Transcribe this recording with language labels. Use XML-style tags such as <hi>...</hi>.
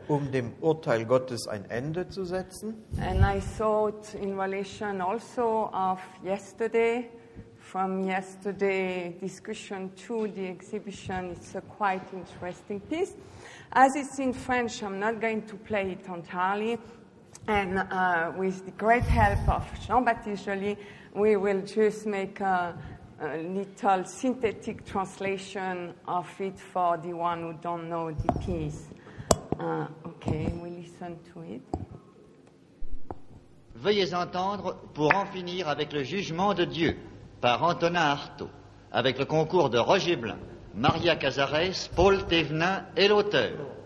<de>Um dem Urteil Gottes ein Ende zu setzen.</de> <en>And I thought in relation also of yesterday's discussion to the exhibition, it's a quite interesting piece. As it's in French, I'm not going to play it entirely. And with the great help of Jean-Baptiste Joly, we will just make a little synthetic translation of it for the one who don't know the piece. Okay, we listen to it.</en> <fr>Veuillez entendre pour en finir avec le jugement de Dieu. Par Antonin Artaud, avec le concours de Roger Blin, Maria Cazares, Paul Thévenin et l'auteur.</fr>